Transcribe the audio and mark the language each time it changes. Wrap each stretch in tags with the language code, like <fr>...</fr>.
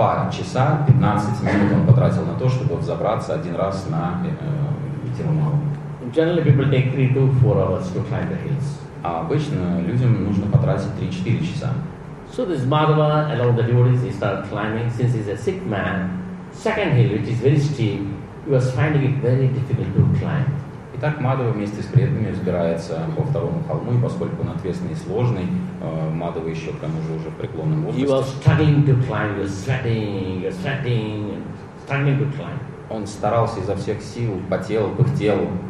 <ru>2 часа 15 минут он потратил на то, чтобы взобраться один раз на Тирумалу.</ru> <en>Generally people take 3 to 4 hours to climb the hills.</en> <ru>А обычно людям нужно потратить 3-4 часа.</ru> <en>So this Madhava along the devotees he started climbing since he's a sick man. Second hill, which is very steep, he was finding it very difficult to climb.</en> <ru>Итак, Мадхава вместе с преданными взбирается по 2-му холму, и поскольку он отвесный и сложный, Мадхава еще к тому же уже в преклонном возрасте.</ru> <en>He was struggling to climb, he was struggling to climb.</en> <ru>Он старался изо всех сил, потел, пыхтел.</ru>